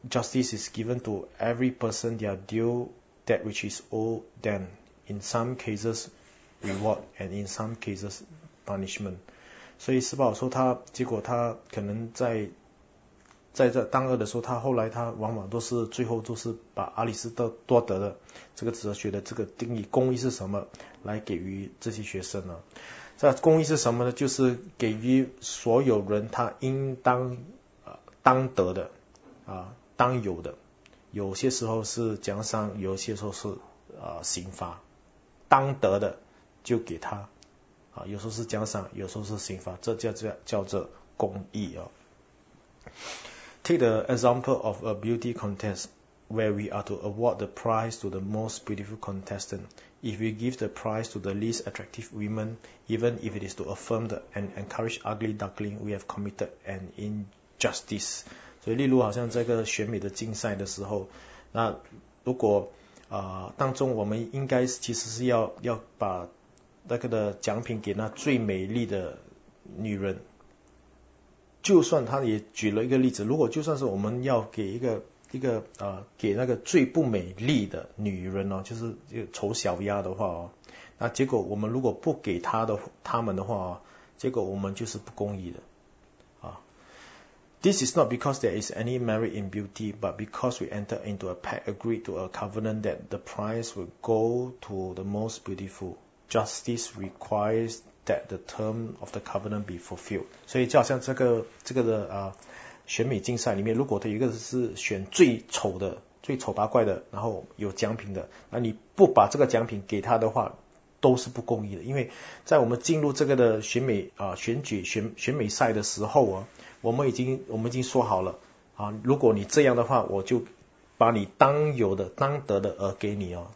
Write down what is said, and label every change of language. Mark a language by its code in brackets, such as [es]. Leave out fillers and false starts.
[en] Justice is given to every person their due, that which is owed them. In some cases. Reward and in some cases punishment. [zh] 所以斯巴鲁说他结果他可能在这当恶的时候，他后来他往往都是最后都是把阿里斯多德的这个哲学的这个定义公义是什么来给予这些学生呢？这公义是什么呢？就是给予所有人他应当当得的当有的，有些时候是奖赏，有些时候是刑罚，当得的就给他有时候是奖赏，有时候是刑罚，这叫做公义哦。 [en] Take the example of a beauty contest where we are to award the prize to the most beautiful contestant. If we give the prize to the least attractive woman, even if it is to affirm and encourage ugly duckling, we have committed an injustice. [zh] 所以例如好像这个选美的竞赛的时候，那如果当中我们应该其实是要把那个的奖品给那最美丽的女人，就算他也举了一个例子，如果就算是我们要给一个给那个最不美丽的女人哦，就是丑小鸭的话哦，那结果我们如果不给他们的话哦，结果我们就是不公义的啊。 [en] This is not because there is any merit in beauty, but because we enter into a pact, agreed to a covenant that the prize will go to the most beautiful. Justice requires that the term of the covenant be fulfilled. [zh] 所以就好像这个的选美竞赛里面，如果他一个是选最丑的、最丑八怪的，然后有奖品的，那你不把这个奖品给他的话，都是不公义的。因为在我们进入这个的选美选美赛的时候啊，我们已经说好了如果你这样的话，我就把你当有的、当得的而给你哦。